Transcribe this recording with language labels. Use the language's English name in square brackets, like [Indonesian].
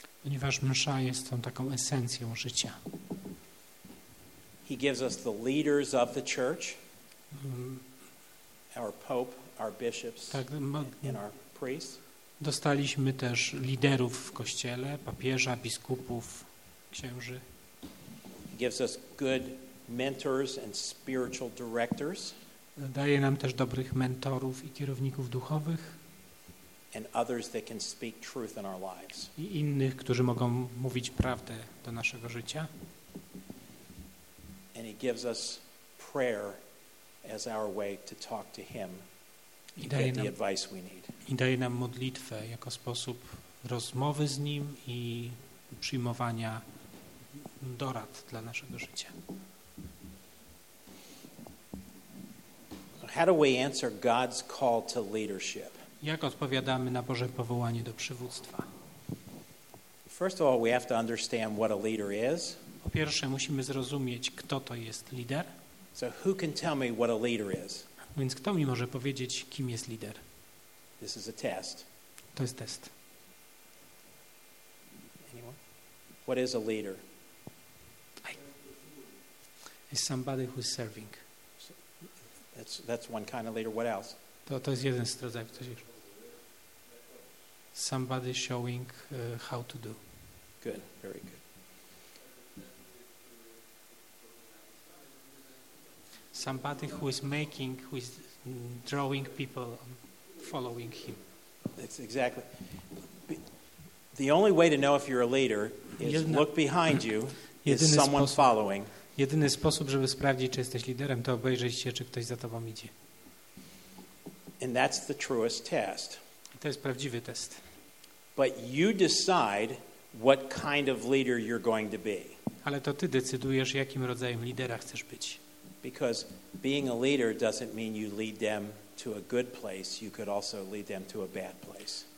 [Polish] Ponieważ msza jest tą taką esencją życia. [English] He gives us the leaders of the church. Our pope, our bishops, [Polish] tak, [English] and our priests. [Polish] Dostaliśmy też liderów w kościele, papieża, biskupów, księży. [English] He gives us good mentors and spiritual directors. [Polish] Daje nam też dobrych mentorów i kierowników duchowych. [English] And others that can speak truth in our lives. [Polish] I innych, którzy mogą mówić prawdę do naszego życia. [English] And he gives us prayer as our way to talk to him and get the advice we need. [Polish] I daje nam modlitwę jako sposób rozmowy z nim i przyjmowania dorad dla naszego życia. [English] So how do we answer God's call to leadership? [Polish] Jak odpowiadamy na Boże powołanie do przywództwa? [English] First of all, we have to understand what a leader is. [Polish] Po pierwsze, musimy zrozumieć, kto to jest lider. [English] So who can tell me what a leader is? [Polish] Więc kto mi może powiedzieć, kim jest lider? [English] This is a test. [Polish] To jest test. [English] Anyone? What is a leader? It's somebody who is serving. So, that's one kind of leader. What else? [Polish] To jest jeden z rodzajów. [English] Somebody showing how to do. Good, very good. Somebody who is making, who is drawing people following him. That's exactly. The only way to know if you're a leader is [Polish] jedyna, [English] look behind you, is someone [Polish] sposób, [English] following. [Polish] Jedyny sposób, żeby sprawdzić, czy jesteś liderem, to obejrzeć się, czy ktoś za tobą idzie. [English] And that's the truest test. [Polish] To jest prawdziwy test. [English] But you decide what kind of leader you're going to be. [Polish] Ale to ty decydujesz, jakim rodzajem lidera chcesz być. [English] Because being a leader doesn't mean you lead them to a good place. You could also lead them to a bad place.